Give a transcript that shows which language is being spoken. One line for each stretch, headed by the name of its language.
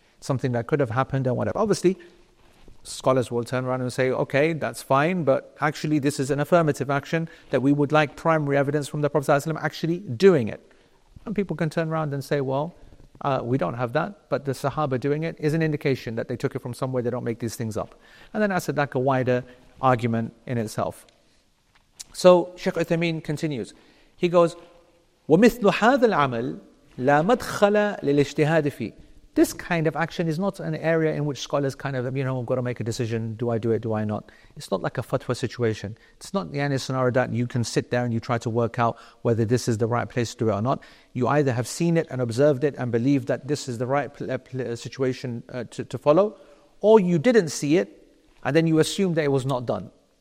English: Something that could have happened and whatever. Obviously, scholars will turn around and say, okay, that's fine, but actually this is an affirmative action that we would like primary evidence from the Prophet
Arabic: صلى الله عليه وسلم
English: actually doing it. And people can turn around and say, well, we don't have that, but the Sahaba doing it is an indication that they took it from somewhere. They don't make these things up. And then that's like a wider argument in itself. So Sheikh Uthaymeen continues. He goes,
Arabic: وَمِثْلُ هَذَا الْعَمَلِ لَا مَدْخَلَ لِلِاجْتِهَادِ فِي.
English: This kind of action is not an area in which scholars kind of, you know, I've got to make a decision. Do I do it? Do I not? It's not like a fatwa situation. It's not the any scenario that you can sit there and you try to work out whether this is the right place to do it or not. You either have seen it and observed it and believe that this is the right situation to follow, or you didn't see it and then you assume that it was not done.